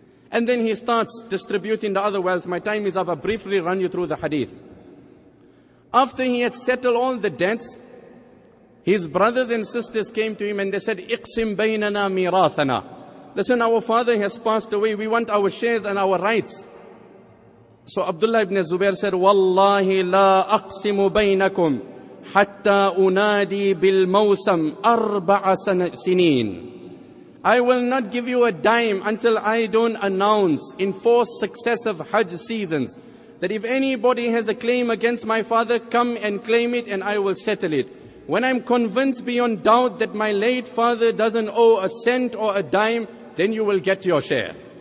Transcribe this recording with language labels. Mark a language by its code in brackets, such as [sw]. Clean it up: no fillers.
[en] And then he starts distributing the other wealth. My time is up. I'll briefly run you through the hadith. After he had settled all the debts, his brothers and sisters came to him and they said, اقسم بيننا ميراثنا. Listen, our father has passed away. We want our shares and our rights. [ar] So Abdullah ibn Zubair said, والله لا اقسم بينكم حتى انادي بالموسم اربع سنين. [en] I will not give you a dime until I don't announce in 4 successive Hajj seasons that if anybody has a claim against my father, come and claim it and I will settle it. When I'm convinced beyond doubt that my late father doesn't owe a cent or a dime, then you will get your share.